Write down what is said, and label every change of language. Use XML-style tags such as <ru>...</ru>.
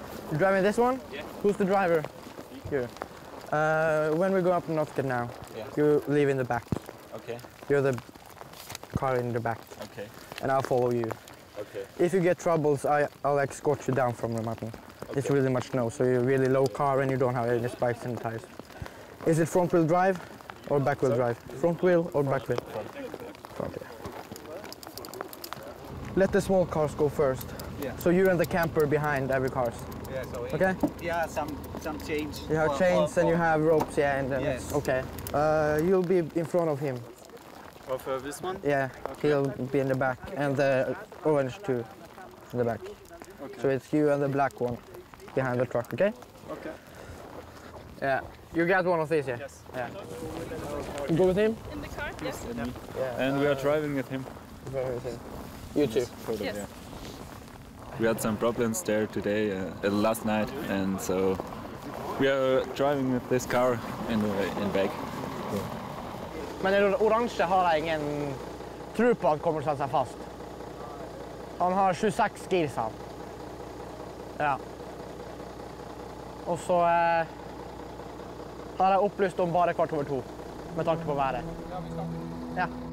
<no>Du driver denne? Ja. Hvem er driver? Du. Når vi går opp til Norge nå, du blir i bak. Ok. Du er karen i bak. Ok. Og jeg følger deg. Ok. Hvis du får problemer, så skal jeg eskortere deg ned fra den.</no> <en>It's really much snow, so you're really low car and you don't have any spikes in the tires. Is it front wheel drive or back wheel drive? Front wheel or back wheel? Front wheel. Let the small cars go first. Yeah. So you and the camper behind every cars. Yeah, so okay. Yeah, some chains. You have chains and you have ropes, yeah, and then yes. Okay. You'll be in front of him. Of this one? Yeah, okay. He'll be in the back, and the orange too, in the back. Okay. So it's you and the black one behind the truck, okay? Okay. Yeah, you got one of these, yeah? Yes. Yeah. You go with him? In the car? Yes. Yeah. And we are driving with him. You too? Yes. Yeah. We had some problems there today, last night, and so we are driving with this car in back.</en> <sv>Men den orange har jag ingen tro på att kommer sätta sig fast. Han har 26 gears han. Ja. Och så har jag upplyst om bara kvart över 2 med tanke på vädret. Ja.</sv>